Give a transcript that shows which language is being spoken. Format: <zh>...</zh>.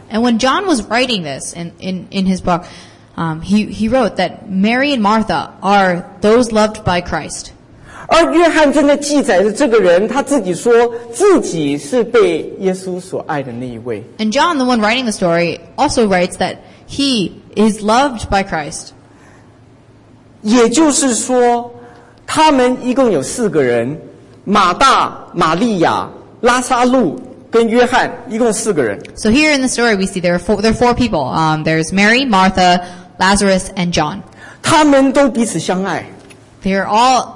<en>And when John was writing this in his book, he wrote that Mary and Martha are those loved by Christ.</en> <zh>而约翰正在记载的这个人，他自己说自己是被耶稣所爱的那一位。</zh> <en>And John, the one writing the story, also writes that he is loved by Christ.</en> <zh>也就是说，他们一共有四个人：马大、玛利亚、拉撒路跟约翰，一共四个人。</zh> <en>So here in the story, we see there are four people. There's Mary, Martha, Lazarus, and John.</en> <zh>他们都彼此相爱。</zh> <en>They all</en>